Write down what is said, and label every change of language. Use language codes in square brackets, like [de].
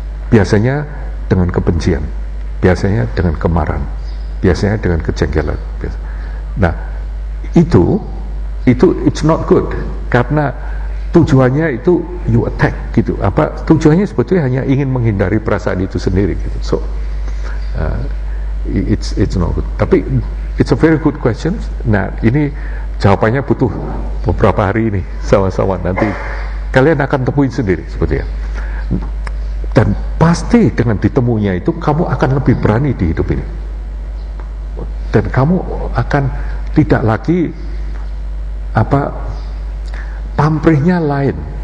[id] Biasanya dengan kebencian, biasanya dengan kemarahan, biasanya dengan kejengkelan. Nah, itu [en] it's not good, [id] karena tujuannya itu [en] you attack [id] gitu. Apa tujuannya sebetulnya hanya ingin menghindari perasaan itu sendiri gitu. [en] So it's not good. [id] Tapi [en] it's a very good question. [id] Nah, ini jawabannya butuh beberapa hari ini sama-sama, nanti kalian akan temuin sendiri sebetulnya. Dan pasti dengan ditemunya itu kamu akan lebih berani di hidup ini. Dan kamu akan tidak lagi pamrihnya lain.